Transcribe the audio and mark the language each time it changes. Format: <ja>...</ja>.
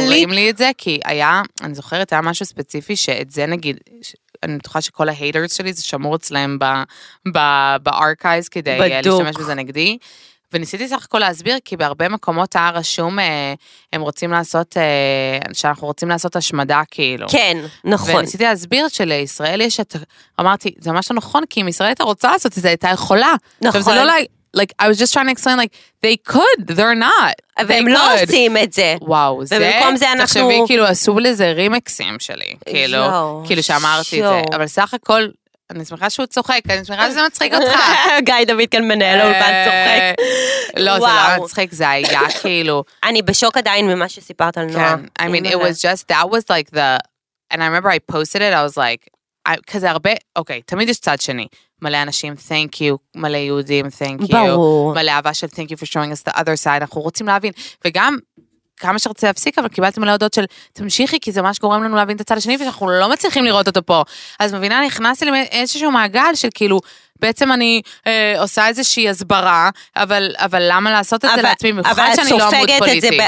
<he>זוכרים לי את זה, כי היה, אני זוכרת, היה משהו ספציפי שאת זה נגיד, אני בטוחה שכל ההייטרס שלי זה שמור אצלהם בארכייז כדי להשתמש בזה נגדי. וניסיתי סך הכל להסביר, כי בהרבה מקומות היה רשום, הם רוצים לעשות, שאנחנו רוצים לעשות השמדה כאילו. כן, נכון. וניסיתי להסביר שלישראל יש את, אמרתי, זה ממש לא נכון, כי אם ישראל הייתה רוצה לעשות את זה, הייתה יכולה. נכון. זה לא</he> <en>like, I was just trying to explain, like, they could, they're not.</en> <he>והם לא עושים את זה. וואו, זה... ובמקום זה אנחנו... תחשבי, כאילו, עשו לזה רימקסים שלי, כאילו. כאילו שאמרתי את זה. אבל סך הכל, אני שמחה שהוא צוחק, אני שמחה שזה מצחיק אותך. גיא דוד כאן מנהל, הוא בן צוחק. לא, זה לא מצחיק, זה היה כאילו... אני בשוק עדיין ממה שסיפרת על נועה.</he> <en>כן, I mean, it was just, that was like the... And I remember I posted it, I was like...</en> <he>כזה הרבה, אוקיי, תמיד יש צד שני. מלא אנשים,</he> <en>thank you,</en> <he>מלא יהודים, thank you. ברור. מלא אהבה של</he> <en>thank you for showing us the other side,</en> <he>אנחנו רוצים להבין. וגם, כמה שרצה להפסיק, אבל קיבלתי מלא הודעות של, תמשיכי, כי זה ממש גורם לנו להבין את הצד השני, ושאנחנו לא מצליחים לראות אותו פה. אז מבינה, נכנסתי לאיזשהו מעגל של כאילו, בעצם אני עושה איזושהי הסברה, אבל למה לעשות את זה לעצמי? מיוחד שאני לא עמוד פוליטי.</he>